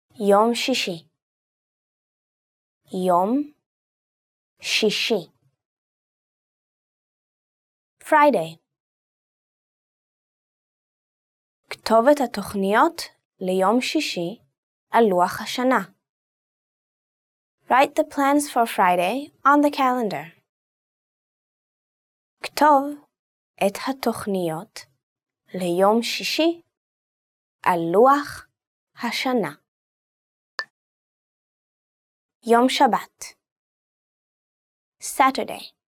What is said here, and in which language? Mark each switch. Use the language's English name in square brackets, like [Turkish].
[Hebrew] יום שישי. יום שישי. [English] Friday. [Hebrew] כתובת התוכניות ליום שישי על לוח השנה. [English] Write the plans for Friday on the calendar. [Hebrew] כתוב את התוכניות ליום שישי על לוח השנה. יום שבת. [English] Saturday.